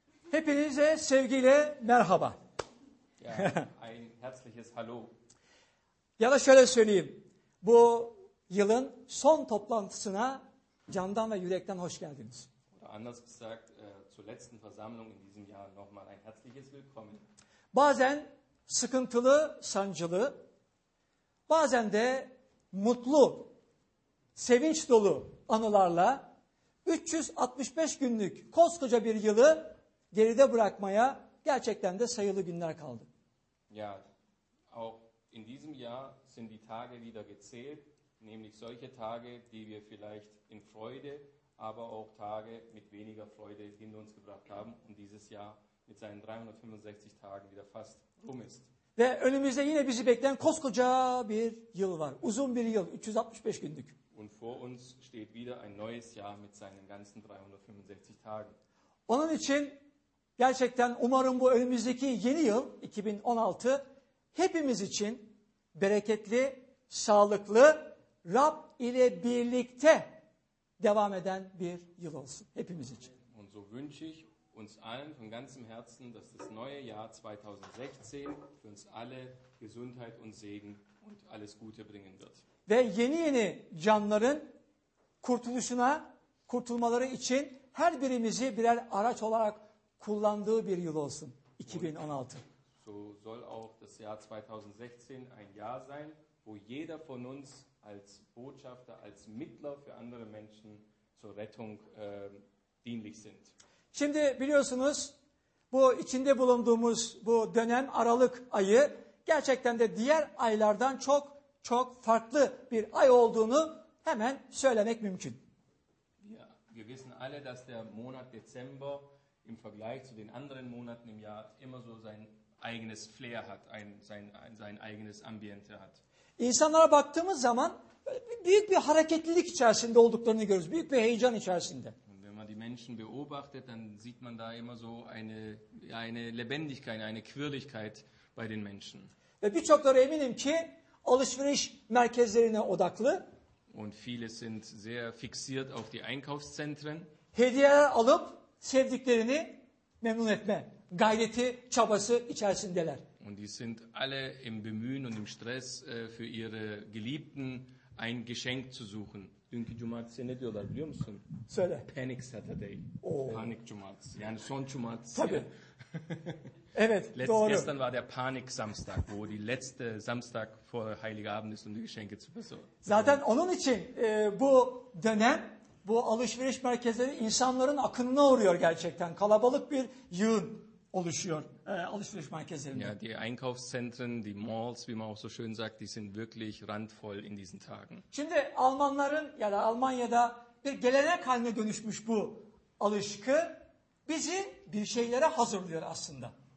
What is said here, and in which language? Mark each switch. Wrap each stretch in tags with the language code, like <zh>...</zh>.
<tr>Hepinize sevgiyle merhaba.</tr> <de>Ja, ein herzliches Hallo.</de> <tr>Ya da şöyle söyleyeyim. Bu yılın son toplantısına candan ve yürekten hoş geldiniz.</tr> <de>Oder anders gesagt, zur letzten Versammlung in diesem Jahr nochmal ein herzliches Willkommen.</de> <tr>Bazen sıkıntılı, sancılı, bazen de mutlu, sevinç dolu anılarla 365 günlük koskoca bir yılı geride bırakmaya gerçekten de sayılı günler kaldı.</tr> <de>Ja, auch in diesem Jahr sind die Tage wieder gezählt, nämlich solche Tage, die wir vielleicht in Freude, aber auch Tage mit weniger Freude hinter uns gebracht haben und dieses Jahr mit seinen 365 Tagen wieder fast rum ist.</de> <tr>Ve önümüzde yine bizi bekleyen koskoca bir yıl var. Uzun bir yıl, 365 günlük.</tr> <de>Und vor uns steht wieder ein neues Jahr mit seinen ganzen 365 Tagen.</de> <tr>Onun için gerçekten umarım bu önümüzdeki yeni yıl 2016 hepimiz için bereketli, sağlıklı, Rab ile birlikte devam eden bir yıl olsun hepimiz için.</tr> <de>Und so wünsche ich uns allen von ganzem Herzen, dass das neue Jahr 2016 für uns alle Gesundheit und Segen und alles Gute bringen wird.</de> <tr>Ve yeni yeni canların kurtuluşuna, kurtulmaları için her birimizi birer araç olarak kullandığı bir yıl olsun 2016.</tr> <de>So soll auch das Jahr 2016 ein Jahr sein, wo jeder von uns als Botschafter, als Mittler für andere Menschen zur Rettung dienlich sind.</de> <tr>Şimdi biliyorsunuz bu içinde bulunduğumuz bu dönem Aralık ayı gerçekten de diğer aylardan çok çok farklı bir ay olduğunu hemen söylemek mümkün.</tr> <de>Ja, wir wissen alle, dass der Monat Dezember im Vergleich zu den anderen Monaten im Jahr immer so sein eigenes Flair hat, sein eigenes Ambiente hat.</de> <tr>İnsanlara baktığımız zaman büyük bir hareketlilik içerisinde olduklarını görürüz, büyük bir heyecan içerisinde.</tr> <de>Und wenn man die Menschen beobachtet, dann sieht man da immer so eine Lebendigkeit, eine Quirligkeit bei den Menschen.</de> <tr>Ve birçokları eminim ki alışveriş merkezlerine odaklı.</tr> <de>Und viele sind sehr fixiert auf die Einkaufszentren.</de> <tr>Hediye alıp sevdiklerini memnun etme gayreti çabası içerisindeler.</tr> <de>Und die sind alle im Bemühen und im Stress für ihre Geliebten ein Geschenk zu suchen.</de> <tr>Dünkü cumartesi ne diyorlar biliyor musun? Söyle.</tr> <en>Panic Saturday.</en> <tr>Oo. Panik cumartesi. Yani son cumartesi. Tabii. Evet, doğru.</tr> <de>Gestern war der Panik Samstag, wo die letzte Samstag vor Heiligabend ist und die Geschenke zu besorgen.</de> <tr>Zaten onun için bu dönem, bu alışveriş merkezleri insanların akınına uğruyor gerçekten. Kalabalık bir yığın oluşuyor alışveriş merkezlerinde.</tr> <de>Ja, die Einkaufszentren, die Malls, wie man auch so schön sagt, die sind wirklich randvoll in diesen Tagen.</de> <tr>Şimdi Almanların ya da Almanya'da bir gelenek haline dönüşmüş bu alışkı bizi bir şeylere hazırlıyor aslında.</tr>